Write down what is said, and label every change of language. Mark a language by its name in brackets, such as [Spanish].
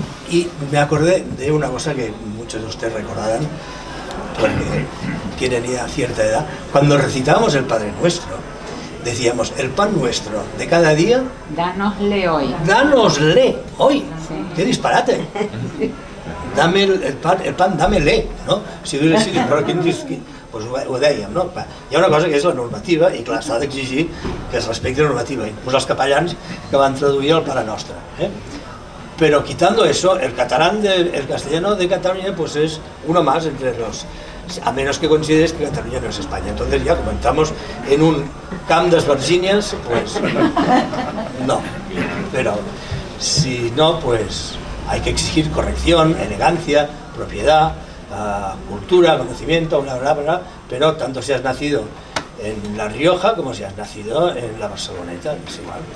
[Spanish] Y me acordé de una cosa que muchos de ustedes recordarán, porque tienen ya cierta edad. Cuando recitábamos el Padre Nuestro, decíamos, el pan nuestro de cada día... Dánosle hoy. ¡Dánosle hoy! Sí. ¡Qué disparate! Dame el pan, dámele, ¿no? Si hubiera sido, pero ¿quién dice que...? [Catalan] Pues ho dèiem, no? Hi ha una cosa que és la normativa, i clar, s'ha d'exigir que es respecti la normativa, inclús els capellans que van traduir el Pare Nostre. [Spanish] Però quitando això, el castellano de Catalunya, pues és uno más entre los... A menos que consideres que Catalunya no és Espanya. Entonces ya, como entramos en un [Catalan] camp d'esvergínies, [Spanish] pues no. [Catalan] Però si no, [Spanish] pues hay que exigir corrección, elegancia, propiedad, cultura, conocimiento, una palabra, pero tanto si has nacido en La Rioja como si has nacido en la Barceloneta, es igual.